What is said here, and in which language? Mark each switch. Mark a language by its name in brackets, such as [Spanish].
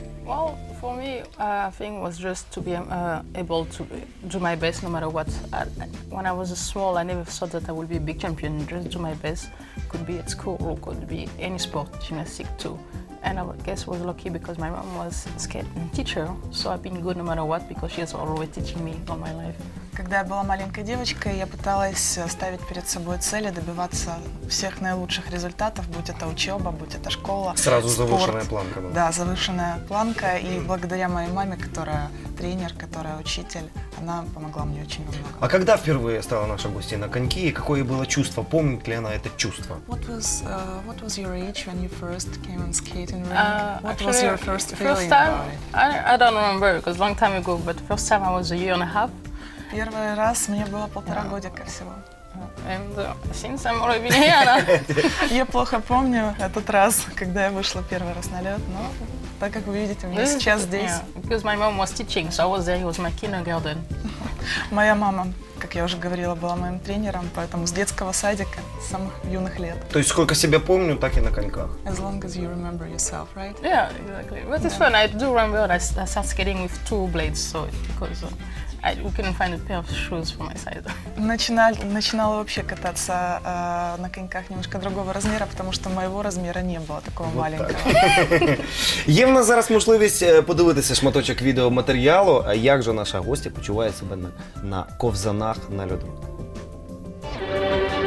[English] Well, for me, I think it was just to be able to do my best no matter what. When I was small, I never thought that I would be a big champion. Just do my best. Could be at school or could be any sport, gymnastics too. And I guess was lucky because my mom was a skating teacher, so I've been good no matter what because she has always teaching me all my life. [Russian] Когда я была маленькой девочкой, я пыталась ставить перед собой цели, добиваться всех наилучших результатов, будь это учеба, будь это школа, сразу спорт. Завышенная планка была. Да, завышенная планка. И благодаря моей маме, которая тренер, которая учитель, она помогла мне очень много. А когда впервые стала наша гостья на коньки, и какое было чувство? Помнит ли она это чувство? [English] What was your age when you first came on skating rink? What was your first feeling? First time? I don't remember, because long time ago, but first time I was a year and a half. [Russian] Первый раз мне было полтора годика всего. [English] Since I'm already here. [Russian] Я плохо помню этот раз, когда я вышла первый раз на лед, но так как вы видите, мне сейчас здесь. [English] Because my mom was teaching, so I was there, it was my kindergarten. [Russian] Моя мама, как я уже говорила, была моим тренером, поэтому с детского садика, с самых юных лет. То есть сколько себя помню, так и на коньках. [English] As long as you remember yourself, right? Yeah, exactly. But it's fun. I do remember I started skating with two blades, so because we couldn't find a pair of shoes for my size. [Russian] Начинала вообще кататься на коньках немножко другого размера, потому что моего размера не было такого маленького. [Ukrainian] Є в нас зараз можливість подивитися шматочок відеоматеріалу, а як же наша гостя почуває себе на ковзанах на льоду. [English] Thank you.